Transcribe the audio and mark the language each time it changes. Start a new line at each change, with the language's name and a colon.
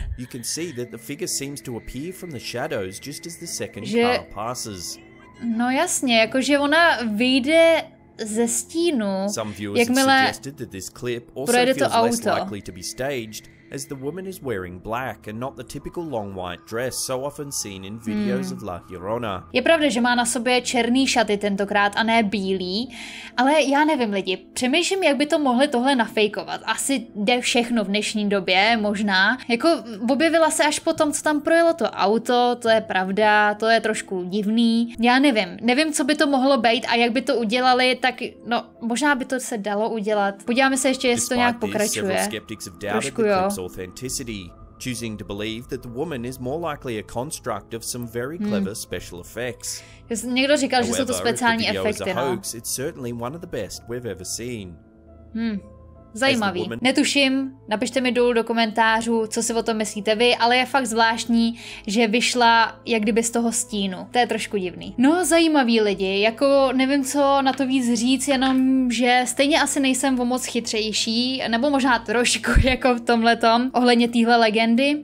English: You can see that the figure seems to appear from the shadows just as the second car passes.
Czech: No jasně, jako že ona vyjde ze stínu. Jakmile projede to auto.
English: As the woman is wearing black and not the typical long white dress so often seen in videos of La Llorona.
Czech: Je pravda, že má na sobě černý šaty tentokrát a ne bílý, ale já nevím lidi, přemýšlím, jak by to mohli tohle nafejkovat. Asi jde všechno v dnešní době, možná. Jako objevila se až potom, co tam projelo to auto, to je pravda, to je trošku divný. Já nevím, nevím, co by to mohlo být a jak by to udělali, tak no, možná by to se dalo udělat. Podíváme se ještě, jestli to nějak pokračuje. Trošku jo.
English: Authenticity, choosing to believe that the woman is more likely a construct of some very clever special effects.
Czech: Někdo říkal, že jsou to speciální efekty, no.
English: It's certainly one of the best we've ever seen.
Czech: Zajímavý. Netuším, napište mi dolů do komentářů, co si o tom myslíte vy, ale je fakt zvláštní, že vyšla jak kdyby z toho stínu. To je trošku divný. No, zajímavý lidi, jako nevím, co na to víc říct, jenom, že stejně asi nejsem o moc chytřejší, nebo možná trošku jako v tomhletom, ohledně téhle legendy.